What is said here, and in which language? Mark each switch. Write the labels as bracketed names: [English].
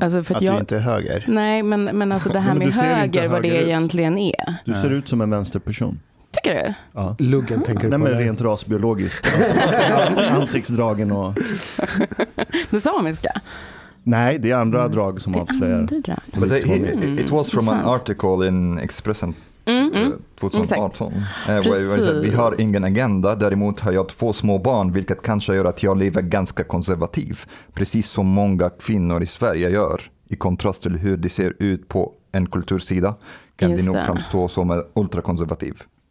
[Swedish] Alltså för att jag, du inte är höger? Nej, men alltså det här med höger, vad det egentligen är. Du ser ut som en vänsterperson. Tycker du? Ja. Luggen tänker nej, du på det. Nej, men rent rasbiologiskt. Alltså, ansiktsdragen och... det samiska. Nej, det är andra drag som avslöjar. [English] But it was from an article in Expressen 2018. Where said, [Swedish] vi har ingen agenda, däremot har jag 2 små barn, vilket kanske gör att jag lever ganska konservativ. Precis som många kvinnor i Sverige gör, i kontrast till hur det ser ut på en kultursida, kan just det nog framstå som ultrakonservativ.